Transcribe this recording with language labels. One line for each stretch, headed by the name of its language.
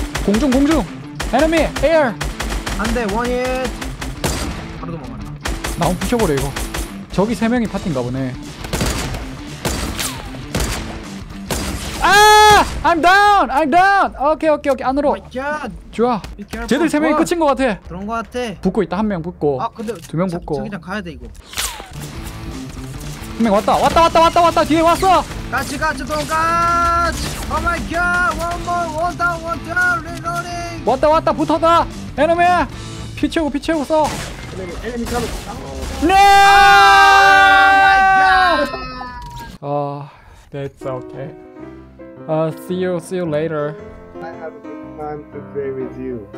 English: 공중 enemy air
Korean: 안돼 원잇 바로 도망가라. 나무 부셔버려. 이거 저기 세 명이 파티인가 보네.
English: I'm down! I'm down!
Korean: 오케이 오케이 오케이 안으로 좋아 쟤들 세 명이 끝인 거 같아 그런 거 같아 붙고 있다 한 명 붙고 아 근데 두 명 붙고 저기 그냥 가야 돼 이거 한 명 왔다 왔다 왔다 왔다 왔다 뒤에 왔어 같이 같이 또 같이
English: 오 마이 갓 원 모어 원 다운 원 다운 리로딩
Korean: 왔다 왔다 붙었다 에너미 피 채우고 피 채우고 써 에너미 가면 네!
English: 오 마이 갓 That's okay see you later. I have a good time to play with you.